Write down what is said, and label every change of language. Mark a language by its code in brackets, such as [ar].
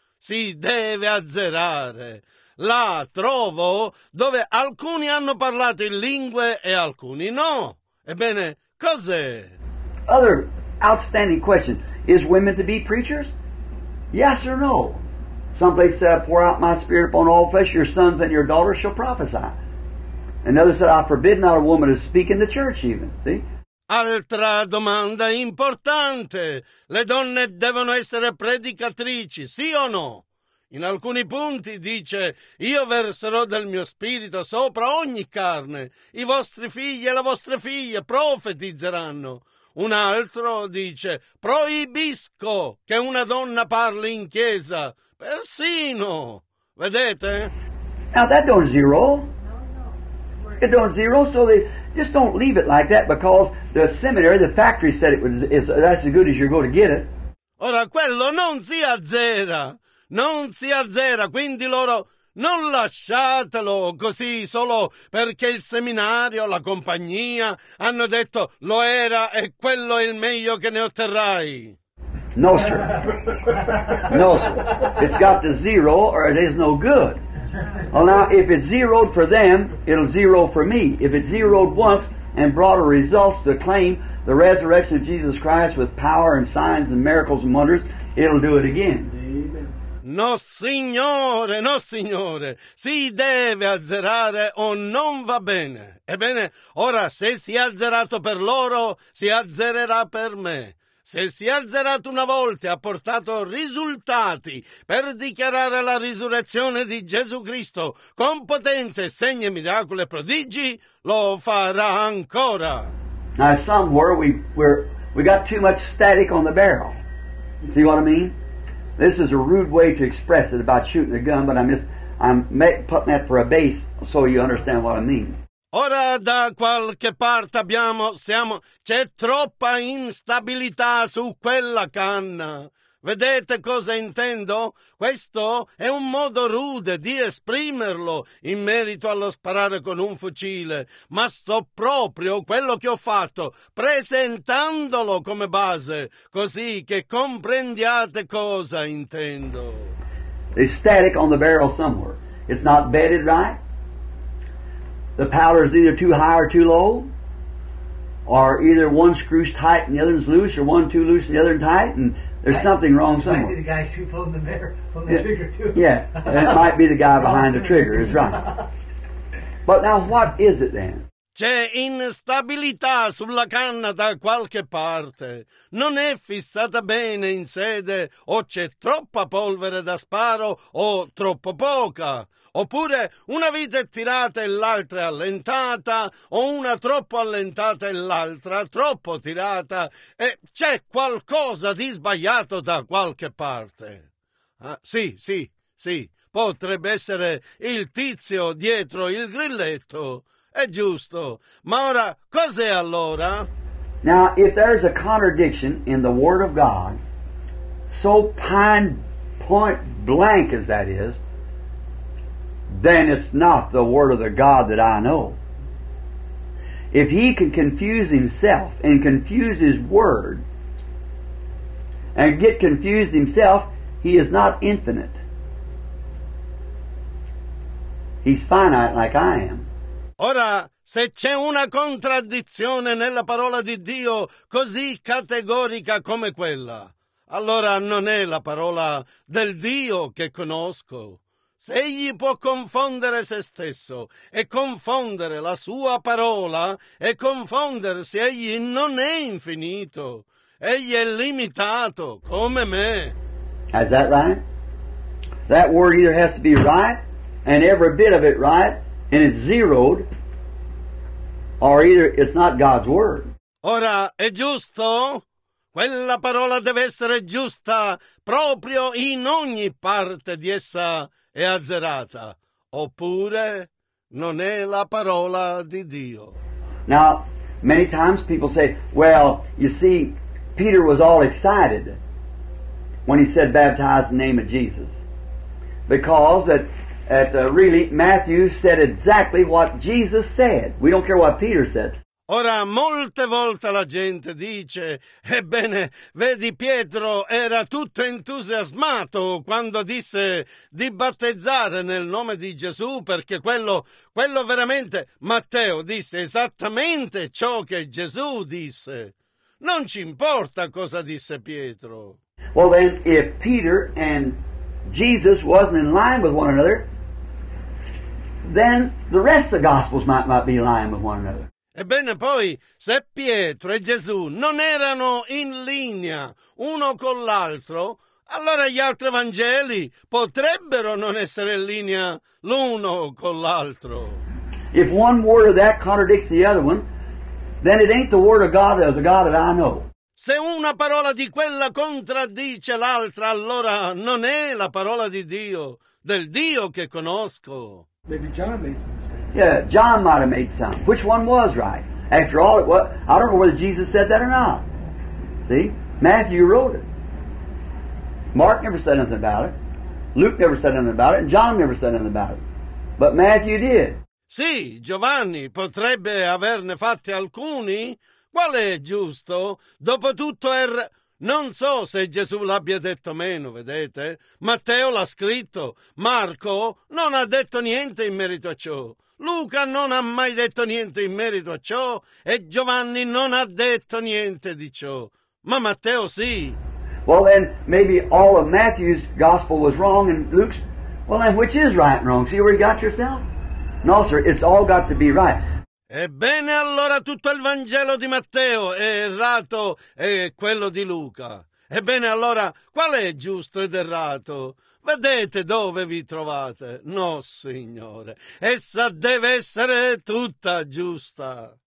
[it] Si deve azzerare. Là trovo dove alcuni hanno parlato in lingue e alcuni no. Ebbene, cos'è? [en] Other outstanding question. Is women to be preachers? Yes or no? Some place said, I pour out my spirit upon all flesh, your sons and your daughters shall prophesy. Another said, I forbid not a woman to speak in the church even. See? [it] Altra domanda importante. Le donne devono essere predicatrici, sì o no? In alcuni punti dice, io verserò del mio spirito sopra ogni carne, i vostri figli e le vostre figlie profetizzeranno. Un altro dice, proibisco che una donna parli in chiesa, persino, vedete? [en] Now that don't zero. It don't zero, so they just don't leave it like that because the seminary, the factory said it was that's as good as you're going to get it. [it] Ora quello non si azzera. Non si azzera, quindi loro non lasciatelo così solo perché il seminario, la compagnia hanno detto lo era e quello è il meglio che ne otterrai. No, sir. No, sir. [en] It's got the zero or it is no good. Well, now, if it's zeroed for them, it'll zero for me. If it's zeroed once and brought a result to claim the resurrection of Jesus Christ with power and signs and miracles and wonders, it'll do it again. [it] No signore, no signore, si deve azzerare o non va bene. Ebbene, ora se si è azzerato per loro, si azzererà per me. Se si è azzerato una volta e ha portato risultati per dichiarare la risurrezione di Gesù Cristo con potenze, segni, miracoli e prodigi, lo farà ancora. [en] Now somewhere we got too much static on the barrel. See what I mean? This is a rude way to express it about shooting a gun, but I'm putting that for a base so you understand what I mean. [it] Ora da qualche parte c'è troppa instabilità su quella canna. Vedete cosa intendo? Questo è un modo rude di esprimerlo in merito allo sparare con un fucile, ma sto proprio quello che ho fatto presentandolo come base, così che comprendiate cosa intendo. [en] It's static on the barrel somewhere. It's not bedded right. The powder is either too high or too low, or either one screw's tight and the other's loose, or one too loose and the other tight, and there's something wrong somewhere. Might be the guy who pulled the trigger, too. Yeah, that might be the guy behind the trigger, is right. But now what is it then? [it] C'è instabilità sulla canna da qualche parte. Non è fissata bene in sede, o c'è troppa polvere da sparo, o troppo poca. Oppure una vite è tirata e l'altra è allentata, o una troppo allentata e l'altra troppo tirata, e c'è qualcosa di sbagliato da qualche parte. Sì, potrebbe essere il tizio dietro il grilletto. È giusto. Ma ora, cos'è allora? [en] Now, if there's a contradiction in the Word of God, so pine point blank as that is, then it's not the Word of the God that I know. If he can confuse himself and confuse his Word and get confused himself, he is not infinite. He's finite like I am. [it] Ora, se c'è una contraddizione nella parola di Dio così categorica come quella, allora non è la parola del Dio che conosco. Se egli può confondere se stesso e confondere la sua parola e confondersi, egli non è infinito. Egli è limitato, come me. [en] Is that right? That word either has to be right, and every bit of it right, and it's zeroed, or either it's not God's word. [it] Ora, è giusto? Quella parola deve essere giusta proprio in ogni parte di essa è azzerata. Oppure non è la parola di Dio. [en] Now, many times people say, well, you see, Peter was all excited when he said, baptize in the name of Jesus. Because that... Really, Matthew said exactly what Jesus said. We don't care what Peter said. [it] Ora, molte volte la gente dice, ebbene, vedi, Pietro era tutto entusiasmato quando disse di battezzare nel nome di Gesù, perché quello veramente, Matteo disse esattamente ciò che Gesù disse. Non ci importa cosa disse Pietro. [en] Well then, if Peter and Jesus wasn't in line with one another, then the rest of the Gospels might be lying with one another. [it] Ebbene poi, se Pietro e Gesù non erano in linea uno con l'altro, allora gli altri Vangeli potrebbero non essere in linea l'uno con l'altro. [en] If one word of that contradicts the other one, then it ain't the word of God or the God that I know. [it] Se una parola di quella contraddice l'altra, allora non è la parola di Dio, del Dio che conosco. [en] Maybe John made some mistakes. Yeah, John might have made some. Which one was right? After all, it was, I don't know whether Jesus said that or not. See? Matthew wrote it. Mark never said nothing about it. Luke never said nothing about it. And John never said nothing about it. But Matthew did. [it] Sì, Giovanni potrebbe averne fatti alcuni. Qual è giusto? Dopotutto Non so se Gesù l'abbia detto meno, vedete? Matteo l'ha scritto, Marco non ha detto niente in merito a ciò, Luca non ha mai detto niente in merito a ciò e Giovanni non ha detto niente di ciò, ma Matteo sì. [en] Well then, maybe all of Matthew's gospel was wrong and Luke's, well then, which is right and wrong? See where you got yourself? No, sir, it's all got to be right. [it] Ebbene, allora tutto il Vangelo di Matteo è errato e quello di Luca. Ebbene, allora, qual è giusto ed errato? Vedete dove vi trovate. No, Signore, essa deve essere tutta giusta.